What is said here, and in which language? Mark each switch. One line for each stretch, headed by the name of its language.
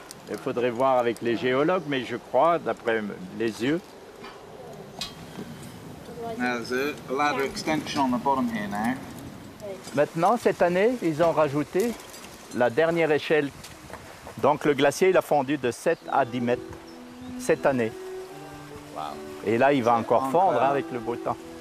French: Il faudrait voir avec les géologues, mais je crois, d'après les yeux.
English: There's a ladder extension on the bottom here now.
French: Maintenant, cette année, ils ont rajouté la dernière échelle. Donc le glacier, il a fondu de 7 à 10 mètres cette année. Et là, il va encore fondre avec le beau temps.